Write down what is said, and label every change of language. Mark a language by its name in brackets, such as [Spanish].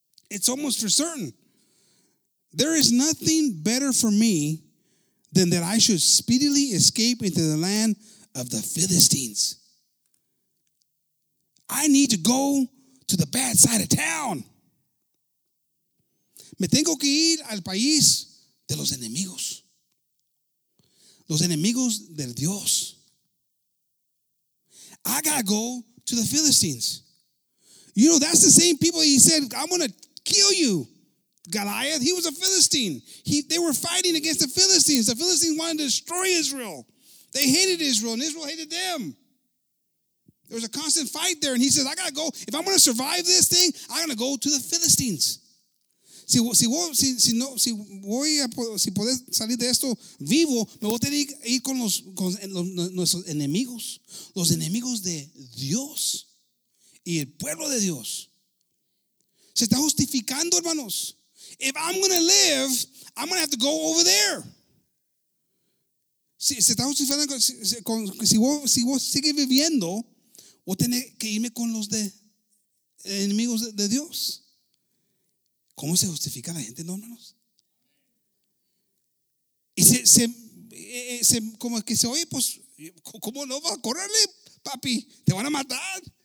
[English] It's almost for certain. There is nothing better for me than that I should speedily escape into the land of the Philistines. I need to go to the bad side of town. [Spanish] Me tengo que ir al país de los enemigos. Los enemigos del Dios. [English] I gotta go to the Philistines. You know, that's the same people he said, I'm gonna kill you. Goliath, he was a Philistine. They were fighting against the Philistines. The Philistines wanted to destroy Israel. They hated Israel, and Israel hated them. There was a constant fight there, and he said, I gotta go. If I'm gonna survive this thing, I'm gonna go to the Philistines. [Spanish] Si voy a si poder salir de esto vivo, me voy a tener que ir con nuestros enemigos, los enemigos de Dios y el pueblo de Dios. Se está justificando, hermanos. [English] If I'm going to live, I'm going to have to go over there. [Spanish] Se está justificando si vos sigue viviendo, voy a tener que irme con los de enemigos de Dios. ¿Cómo se justifica la gente, no, hermanos? Y se como que se oye, pues, ¿cómo no va a correrle, papi? Te van a matar.